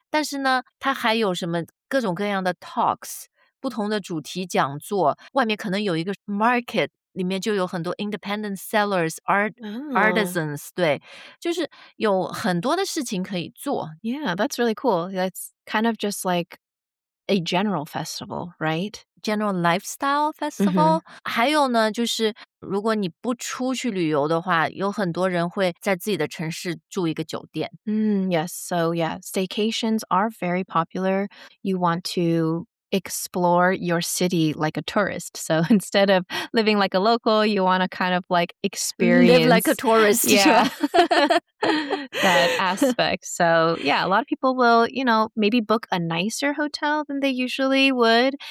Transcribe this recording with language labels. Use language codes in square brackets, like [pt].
[zh] 但是呢它还有什么各种各样的 talks, 不同的主题讲座外面可能有一个 market, 里面就有很多 [en] independent sellers, artisans, [zh] 对就是有很多的事情可以做。 [en] Yeah, that's really cool. That's kind of just like a general festival, right? General lifestyle festival. Mm-hmm. [zh] 还有呢就是如果你不出去旅游的话有很多人会在自己的城市住一个酒店。 [en] Yes, so yeah, staycations are very popular. You want to explore your city like a tourist. So instead of living like a local, you want to kind of like experience... Live like a tourist. Yeah. that aspect. So yeah, a lot of people will, you know, maybe book a nicer hotel than they usually would